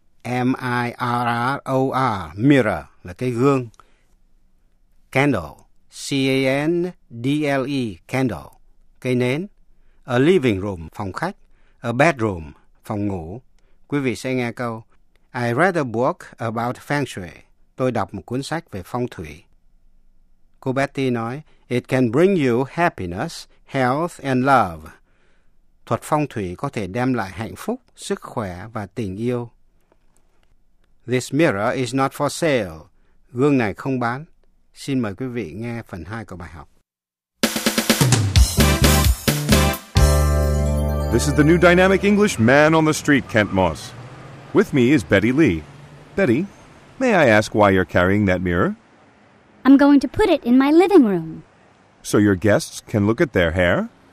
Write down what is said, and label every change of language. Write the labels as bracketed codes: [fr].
[vi] M-I-R-R-O-R. Mirror là cái gương. Candle. C-A-N-D-L-E. Candle. Cây nến. A living room. Phòng khách. A bedroom. Phòng ngủ. Quý vị sẽ nghe câu [en] I read a book about feng shui. [vi] Tôi đọc một cuốn sách về phong thủy. Cô Betty nói, [en] it can bring you happiness, health and love. [vi] Thuật phong thủy có thể đem lại hạnh phúc, sức khỏe và tình yêu. [en] This mirror is not for sale. [vi] Gương này không bán. Xin mời quý vị nghe phần 2 của bài học. [en] This is the new dynamic English man on the street, Kent Moss. With me is Betty Lee. Betty, may I ask why you're carrying that mirror? I'm going to put it in my living room. So your guests can look at their hair?